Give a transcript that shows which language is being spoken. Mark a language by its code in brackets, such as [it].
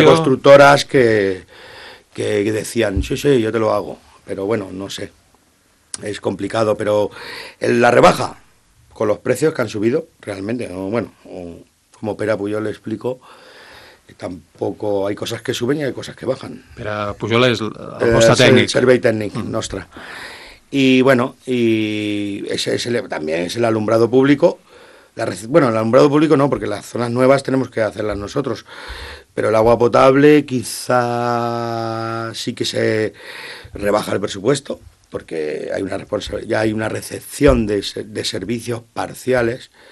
[es] Había constructoras que que decían, sí, sí, yo te lo hago, pero bueno, no sé, es complicado, pero la rebaja, con los precios que han subido, realmente, bueno, como Pere Pujol le explico, tampoco hay cosas que suben y hay cosas que bajan. [ca] Pere Pujol es el vostre tècnic. El servei tècnic, nostre. [es] Y bueno, y también es el alumbrado público. Bueno, el alumbrado público no, porque las zonas nuevas tenemos que hacerlas nosotros. Pero el agua potable quizá sí que se rebaja el presupuesto, porque hay una responsabilidad, ya hay una recepción de servicios parciales.